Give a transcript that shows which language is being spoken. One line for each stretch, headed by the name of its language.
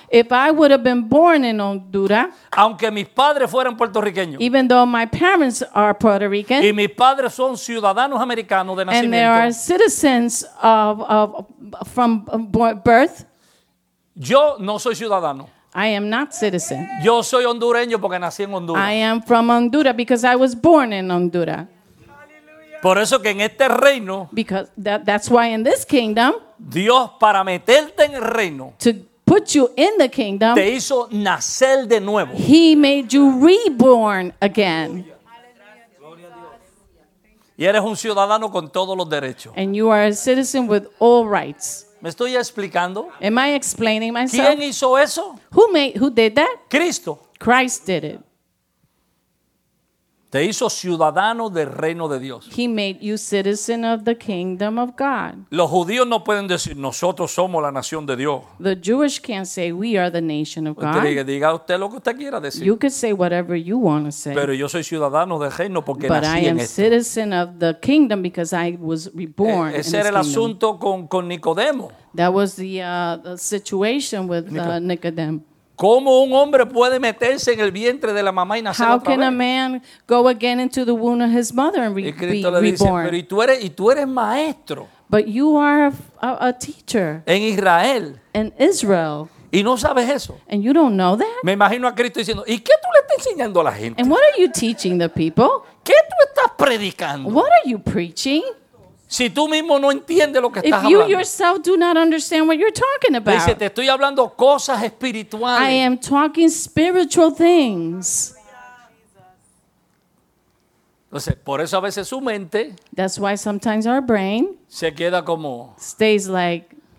English: if I would have been born in Honduras,
Spanish: aunque mis padres fueran puertorriqueños,
English: even though my parents are Puerto Rican,
Spanish: y mis padres son ciudadanos americanos de nacimiento,
English: and they are citizens from birth,
Spanish: yo no soy ciudadano.
English: I am not citizen.
Spanish: Yo soy hondureño porque nací en Honduras.
English: I am from Honduras because I was born in Honduras.
Spanish: Por eso que en este reino,
English: because that's why in this kingdom,
Spanish: Dios para meterte en el reino,
English: to put you in the kingdom,
Spanish: te hizo nacer de nuevo.
English: He made you reborn again.
Spanish: Y eres un ciudadano con todos los derechos.
English: And you are a citizen with all rights.
Spanish: ¿Me estoy explicando?
English: Am I explaining myself?
Spanish: ¿Quién hizo eso?
English: Who did that?
Spanish: Cristo.
English: Christ did it.
Spanish: Te hizo ciudadano del reino de Dios.
English: He made you citizen of the kingdom of God.
Spanish: Los judíos no pueden decir nosotros somos la nación de Dios.
English: The Jewish can't say we are the nation of God.
Spanish: Diga usted lo que usted quiera decir.
English: You can say whatever you want to say.
Spanish: Pero yo soy ciudadano del reino porque
English: but
Spanish: nací
English: I am
Spanish: en esto.
English: Citizen of the kingdom because I was reborn in this kingdom.
Spanish: Ese era el asunto con Nicodemo.
English: That was the situation with Nicodemo.
Spanish: ¿Cómo un hombre puede meterse en el vientre de la mamá y nacer otra vez?
English: How can a man go again into the womb of his mother and be reborn?
Spanish: Pero y tú eres maestro.
English: But you are a teacher.
Spanish: En Israel.
English: In Israel.
Spanish: Y no sabes eso.
English: And you don't know that?
Spanish: Me imagino a Cristo diciendo, ¿y qué tú le estás enseñando a la gente?
English: And what are you teaching the people?
Spanish: ¿Qué tú estás predicando?
English: What are you preaching?
Spanish: Si tú mismo no entiendes lo que estás hablando.
English: If you yourself do not understand what you're talking about.
Spanish: Dice, te estoy hablando cosas espirituales.
English: I am talking spiritual things.
Spanish: Entonces, por eso a veces su mente.
English: That's why sometimes our brain.
Spanish: Se queda como.
English: Stays like.